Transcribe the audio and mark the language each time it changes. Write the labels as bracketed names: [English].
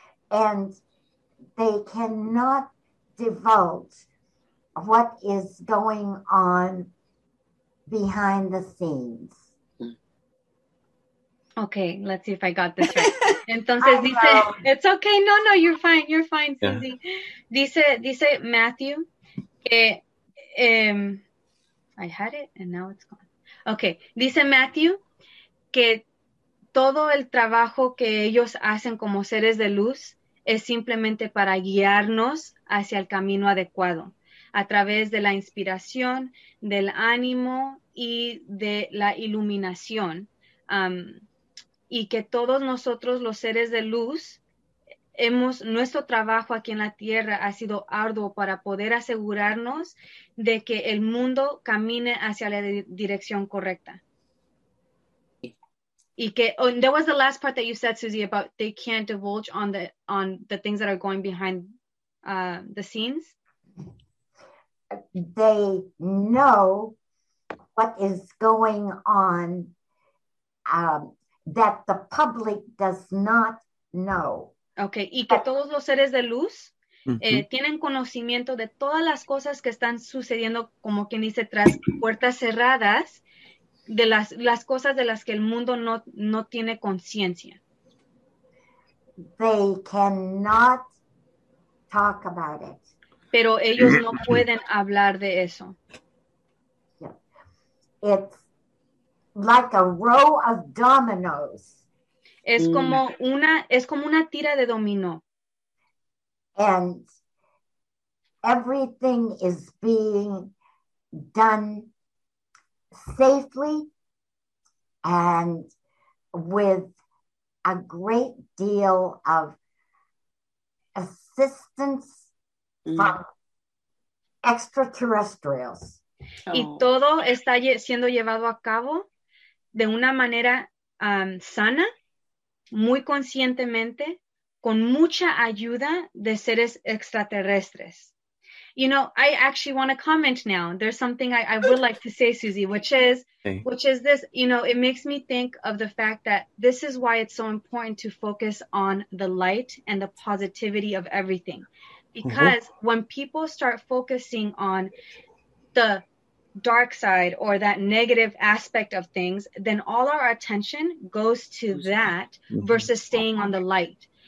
[English] And they cannot divulge what is going on behind the scenes. Okay, let's see if I got this right. [Spanish] Entonces dice, [English] it's okay, no, you're fine, yeah. Susie. [Spanish] Dice Matthew que, [English] I had it and now it's gone. [Spanish] Okay, dice Matthew que todo el trabajo que ellos hacen como seres de luz es simplemente para guiarnos hacia el camino adecuado, a través de la inspiración, del ánimo y de la iluminación. y que todos nosotros, los seres de luz, hemos, nuestro trabajo aquí en la Tierra ha sido arduo para poder asegurarnos de que el mundo camine hacia la dirección correcta. Y que, [English] oh, that was the last part that you said, Susie, about they can't divulge on the things that are going behind the scenes. They know what is going on that the public does not know. [Spanish] Okay, y que todos los seres de luz tienen conocimiento de todas las cosas que están sucediendo, como quien dice, tras puertas cerradas, de las cosas de las que el mundo no tiene conciencia. [English] They cannot talk about it. [Spanish] Pero ellos no pueden hablar de eso. [English] Yeah. It's like a row of dominoes. [Spanish] Es como una tira de dominó. [English] And everything is being done safely and with a great deal of assistance from extraterrestrials. [Spanish] Y todo está siendo llevado a cabo de una manera sana, muy conscientemente, con mucha ayuda de seres extraterrestres. [English] You know, I actually want to comment now. There's something I would like to say, Susie, which is this, you know, it makes me think of the fact that this is why it's so important to focus on the light and the positivity of everything. Because when people start focusing on the dark side or that negative aspect of things, then all our attention goes to that versus staying on the light.